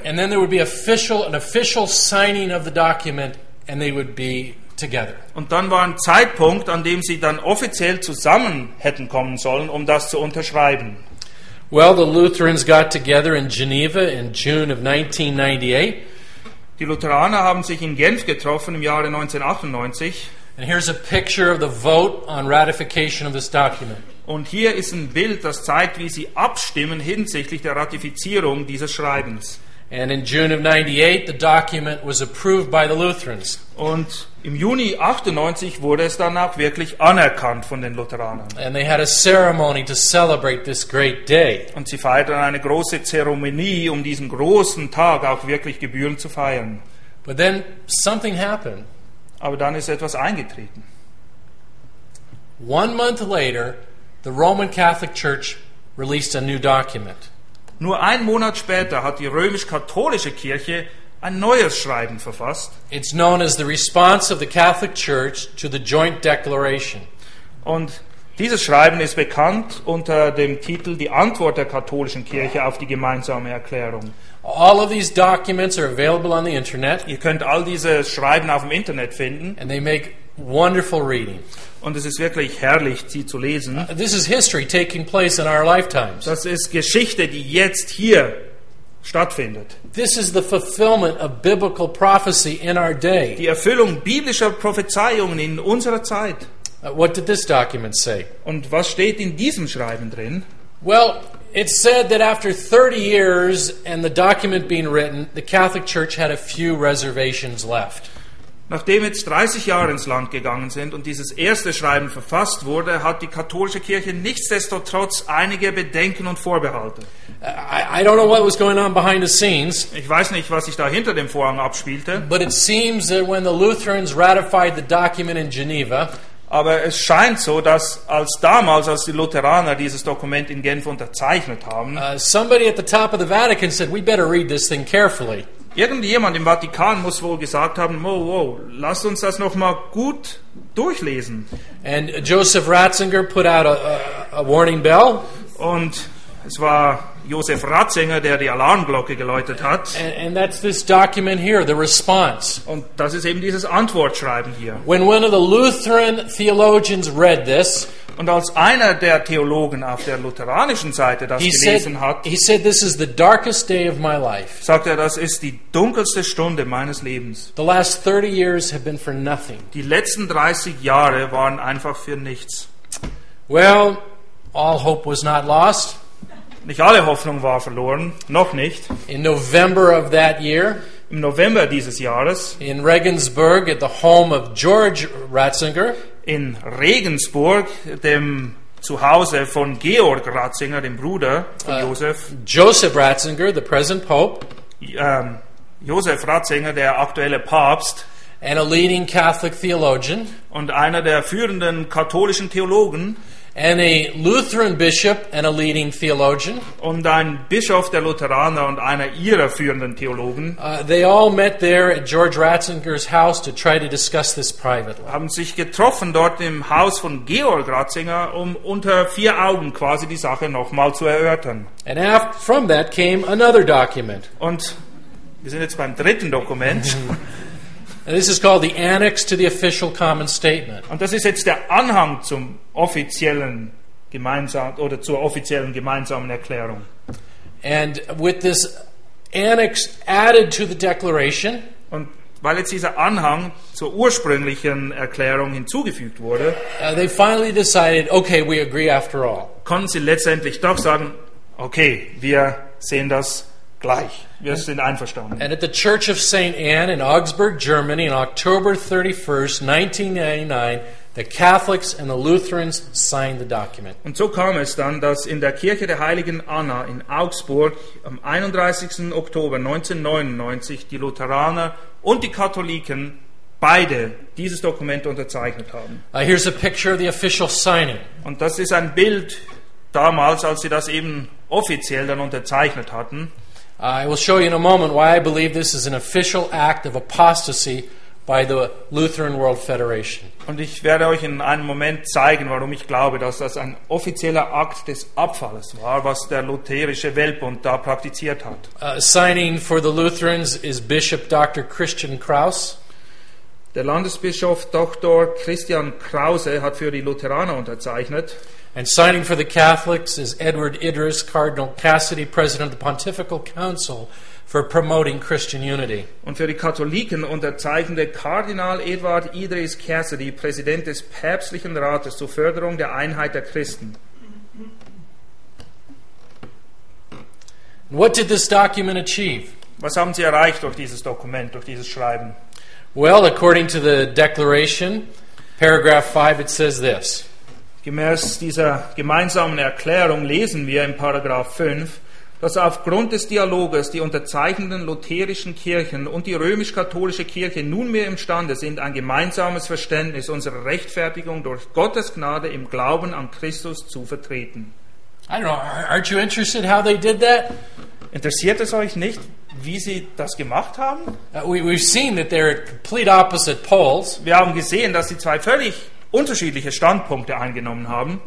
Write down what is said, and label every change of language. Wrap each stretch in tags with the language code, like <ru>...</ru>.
<en>And then there would be an official signing of the document, and they would be together.</en> <de>Und dann war ein Zeitpunkt, an dem sie dann offiziell zusammen hätten kommen sollen, um das zu unterschreiben.</de> <en>Well, the Lutherans got together in Geneva in June of 1998.</en> <de>Die Lutheraner haben sich in Genf getroffen im Jahre 1998.</de> <en>And here's a picture of the vote on ratification of this document.</en> <de>Und hier ist ein Bild, das zeigt, wie sie abstimmen hinsichtlich der Ratifizierung dieses Schreibens.</de> <en>And in June of 98, the document was approved by the Lutherans.</en> <de>Und im Juni 98 wurde es dann auch wirklich anerkannt von den Lutheranern.</de> <en>And they had a ceremony to celebrate this great day.</en> <de>Und sie feierten eine große Zeremonie, um diesen großen Tag auch wirklich gebührend zu feiern.</de> <en>But then something happened.</en> <de>Aber dann ist etwas eingetreten.</de> <en>One month later, the Roman Catholic Church released a new document.</en> <de>Nur einen Monat später hat die römisch-katholische Kirche ein neues Schreiben verfasst.</de> <en>It's known as the response of the Catholic Church to the Joint Declaration.</en> <de>Und dieses Schreiben ist bekannt unter dem Titel Die Antwort der katholischen Kirche auf die gemeinsame Erklärung.</de> <en>All of these documents are available on the internet.</en> <de>Ihr könnt all diese Schreiben auf dem Internet finden.</de> <en>And they make wonderful reading.</en> <de>Und es ist wirklich herrlich, sie zu lesen.</de> <en>This is history taking place in our lifetimes.</en> <de>Das ist Geschichte, die jetzt hier stattfindet.</de> <en>This is the fulfillment of biblical prophecy in our day.</en> <de>Die Erfüllung biblischer Prophezeiungen in unserer Zeit.</de> <en>What did this document say?</en> <de>Und was steht in diesem Schreiben drin?</de> <en>Well, it said that after 30 years and the document being written, the Catholic Church had a few reservations left.</en> <de>Nachdem jetzt 30 Jahre ins Land gegangen sind und dieses erste Schreiben verfasst wurde, hat die katholische Kirche nichtsdestotrotz einige Bedenken und Vorbehalte.</de> <en>I don't know what was going on behind the scenes.</en> <de>Ich weiß nicht, was sich da hinter dem Vorhang abspielte.</de> <en>But it seems that when the Lutherans ratified the document in Geneva,</en> <de>aber es scheint so, dass als die Lutheraner dieses Dokument in Genf unterzeichnet haben,</de> <en>somebody at the top of the Vatican said, we better read this thing carefully.</en> <de>Irgendjemand im Vatikan muss wohl gesagt haben, wow, lass uns das noch mal gut durchlesen.</de> <en>And Joseph Ratzinger put out a warning bell.</en> <de>Und es war Joseph Ratzinger, der die Alarmglocke geläutet hat.</de> <en>And that's this document here, the response.</en> <de>Und das ist eben dieses Antwortschreiben hier.</de> <en>When one of the Lutheran theologians read this,</en> <de>und als einer der Theologen auf der lutheranischen Seite das gelesen hat,</de> <en>he said, this is the darkest day of my life.</en> <de>Sagt er, das ist die dunkelste Stunde meines Lebens.</de> <en>The last 30 years have been for nothing.</en> <de>Die letzten 30 Jahre waren einfach für nichts.</de> <en>Well, all hope was not lost.</en> <de>Nicht alle Hoffnung war verloren, noch nicht.</de> <en>In November of that year,</en> <de>im November dieses Jahres,</de> <en>in Regensburg at the home of George Ratzinger,</en> <de>in Regensburg, dem Zuhause von Georg Ratzinger, dem Bruder von Josef.</de> <en>Joseph Ratzinger, the present Pope.</en> <de>Joseph Ratzinger, der aktuelle Papst.</de> <en>And a leading Catholic theologian.</en> <de>Und einer der führenden katholischen Theologen.</de> <en>And a Lutheran bishop and a leading theologian.</en> <de>Und ein Bischof der Lutheraner und einer ihrer führenden Theologen.</de> <en>They all met there at George Ratzinger's house to try to discuss this privately.</en> <de>Haben sich getroffen dort im Haus von Georg Ratzinger, um unter vier Augen quasi die Sache nochmal zu erörtern.</de> <en>And after, from that came another document.</en> <de>Und wir sind jetzt beim dritten Dokument.</de> <en>And this is called the annex to the official common statement.</en> <de>Und das ist jetzt der Anhang zum offiziellen gemeinsamen oder zur offiziellen gemeinsamen Erklärung.</de> <en>And with this annex added to the declaration,</en> <de>und weil jetzt dieser Anhang zur ursprünglichen Erklärung hinzugefügt wurde,</de> <en>they finally decided, okay, we agree after all.</en> <de>Konnten sie letztendlich doch sagen, okay, wir sehen das gleich. Wir sind einverstanden.</de> <en>And at the Church of St. Anne in Augsburg, Germany, on October 31st, 1999, the Catholics and the Lutherans signed the document.</en> <de>Und so kam es dann, dass in der Kirche der Heiligen Anna in Augsburg am 31. Oktober 1999 die Lutheraner und die Katholiken beide dieses Dokument unterzeichnet haben.</de> <en>Here's a picture of the official signing.</en> <de>Und das ist ein Bild damals, als sie das eben offiziell dann unterzeichnet hatten.</de> <en>I will show you in a moment why I believe this is an official act of apostasy by the Lutheran World Federation.</en> <de>Und ich werde euch in einem Moment zeigen, warum ich glaube, dass das ein offizieller Akt des Abfalles war, was der lutherische Weltbund da praktiziert hat.</de> <en>Signing for the Lutherans is Bishop Dr. Christian Kraus.</en> <de>Der Landesbischof Dr. Christian Krause hat für die Lutheraner unterzeichnet.</de> <en>And signing for the Catholics is Edward Idris, Cardinal Cassidy, President of the Pontifical Council for Promoting Christian Unity.</en> <de>Und für die Katholiken unterzeichnete Kardinal Edward Idris Cassidy, Präsident des päpstlichen Rates zur Förderung der Einheit der Christen.</de> <en>What did this document achieve?</en> <de>Was haben sie erreicht durch dieses Dokument, durch dieses Schreiben?</de> <en>Well, according to the declaration, paragraph 5, it says this.</en> <de>Gemäß dieser gemeinsamen Erklärung lesen wir in Paragraph 5, dass aufgrund des Dialoges die unterzeichnenden lutherischen Kirchen und die römisch-katholische Kirche nunmehr imstande sind, ein gemeinsames Verständnis unserer Rechtfertigung durch Gottes Gnade im Glauben an Christus zu vertreten.</de> <en>I don't know, aren't you interested how they did that?</en> <de>Interessiert es euch nicht, wie sie das gemacht haben?</de> <en>We've seen that they're complete opposite poles.</en> <de>Wir haben gesehen, dass die zwei völlig unterschiedliche Standpunkte eingenommen haben.</de>